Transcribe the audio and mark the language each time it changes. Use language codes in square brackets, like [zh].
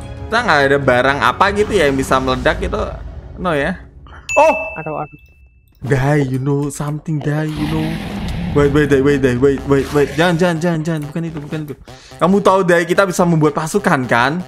[id] Kita enggak ada barang apa gitu ya yang bisa meledak itu. No ya. Oh, atau [en] Guy, you know something, guy, you know. Wait. [id] Jangan. Bukan itu. Kamu tahu dari kita bisa membuat pasukan kan?